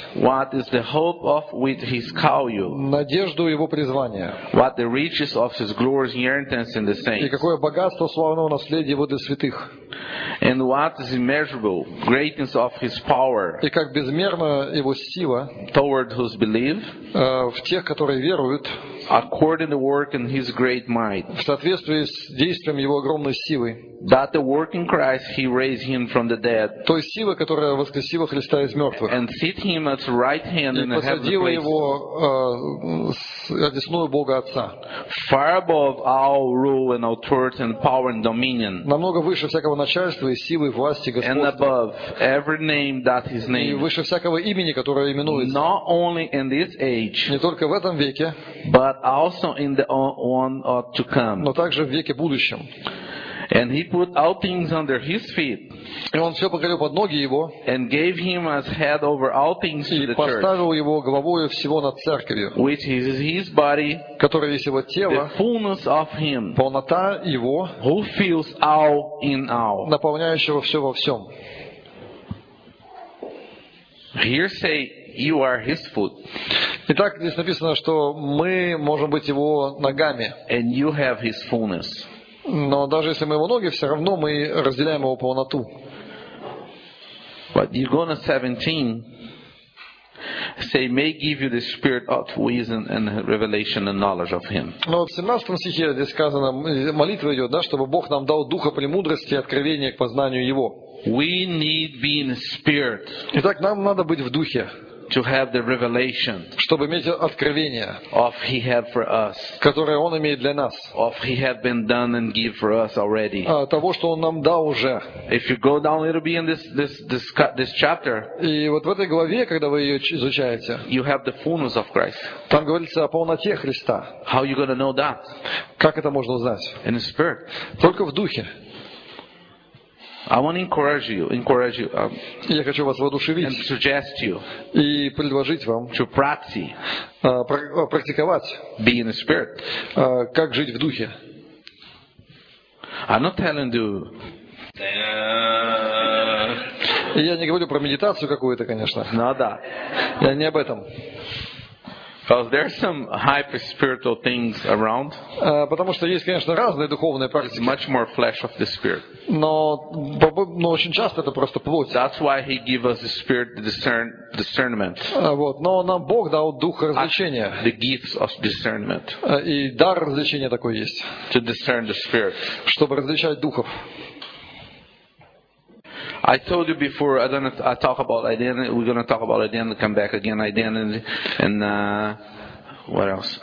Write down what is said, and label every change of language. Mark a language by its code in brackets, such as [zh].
[en] what is the hope of which He has called you, [ru] надежду Его призвания, [en] what the riches of His glorious inheritance in the saints, [ru] и какое богатство славного наследия Его для святых, [en] and what is immeasurable greatness of His power, [ru] и как безмерна Его сила, [en] toward whose believe, [ru] в тех, которые веруют, [en] according to work in His great might, [ru] в соответствии с действием Его огромной силы, [en] that the work in Christ He raised Him from the dead. [ru] Той силы, которая воскресила Христа из мертвых. [en] And seat Him at the right hand in the heavenly places. [ru] И посадила Его одесную Бога Отца. [en] Far above all rule and authority and power and dominion. [ru] Намного выше всякого начальства и силы и власти Господа. [en] And above every name that His name. [ru] И выше всякого имени, которое именуется. [en] Not only in this age. [ru] Не только в этом веке. [en] But also in the one to come. [ru] Но также в веке будущем. [en] And He put all things under His feet. [ru] И он все покорил под ноги его. [en] And gave Him as head over all things to the church. [ru] И поставил его главою всего над церковью. [en] Which is His body. [ru] Которое есть его тело. [en] The fullness of Him. [ru] Полнота его. [en] Who fills all in all. [ru] Наполняющего все во всем. [en] Here say you are His foot. [ru] Итак, здесь написано, что мы можем быть его ногами. [en] And you have His fullness. [ru] Но даже если мы его ноги, все равно мы разделяем его полноту. [en] But you're going to 17, say, may give you the spirit of wisdom and revelation and knowledge of Him. [ru] Но в 17 стихе здесь сказано, молитва идет, да, чтобы Бог нам дал духа премудрости и откровения к познанию Его. [en] We need being spirit. [ru] Итак, нам надо быть в духе. [en] To have the revelation, [ru] чтобы иметь откровение, [en] of He had for us, [ru] которое Он имеет для нас, [en] of He had been done and give for us already, [ru] того, что Он нам дал уже. [en] If you go down, it'll be in this chapter. [ru] И вот в этой главе, когда вы ее изучаете, [en] you have the fullness of Christ. [ru] Там говорится о полноте Христа. [en] How you gonna know that? [ru] Как это можно узнать? [en] In the Spirit. [ru] Только в духе. [en] I want to encourage you. [ru] Я хочу вас воодушевить. [en] And suggest you. [ru] И предложить вам. [en] To practice. [ru] Практиковать. [en] Be in the Spirit. [ru] Как жить в духе? [en] I'm not telling you. [ru] Я не говорю про медитацию какую-то, конечно. [en] No, да. [ru] Я не об этом. [en] Because there are some hyper spiritual things around. [ru] Потому что есть, конечно, разные духовные практики. [en] It's much more flesh of the spirit. [ru] Но очень часто это просто плоть. [en] That's why He gave us the spirit to discern discernment. [ru] Вот, но нам Бог дал дух различения. [en] The gifts of discernment. [ru] И дар различения такой есть. [en] To discern the spirit. [ru] Чтобы различать духов. [en] I told you before, I don't know if I talk about identity, we're going to talk about identity, come back again, identity, and what else?